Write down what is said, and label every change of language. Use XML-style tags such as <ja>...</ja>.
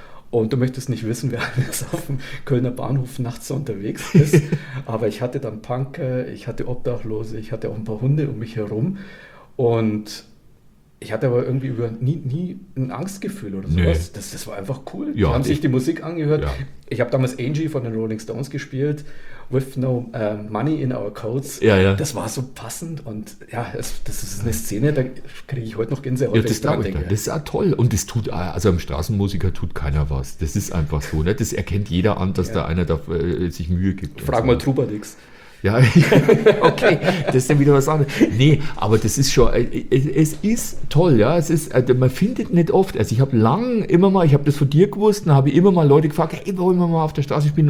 <de>Und du möchtest nicht wissen, wer alles auf dem Kölner Bahnhof nachts so unterwegs ist. Aber ich hatte dann Punker, ich hatte Obdachlose, ich hatte auch ein paar Hunde um mich herum. Und ich hatte aber irgendwie nie ein Angstgefühl oder sowas. Nee. Das war einfach cool. Ja, die haben sich die Musik angehört. Ja. Ich habe damals Angie von den Rolling Stones gespielt.</de> <en>With no money in our coats.</en> <de>Ja, ja. Das war so passend. Und ja, das ist eine Szene, da kriege ich heute noch Gänsehaut. Ja, das dran denke. Das ist ja toll. Und das tut, also einem Straßenmusiker tut keiner was. Das ist einfach so. Ne? Das erkennt jeder an, dass ja. da einer da, sich Mühe gibt. Frag mal Trubadix. Ja, okay, das ist dann wieder was anderes. Nee, aber das ist schon, es ist toll, ja, es ist, man findet nicht oft, also ich habe lang immer mal, ich habe das von dir gewusst, dann habe ich immer mal Leute gefragt, hey, wollen wir mal auf der Straße spielen?</de>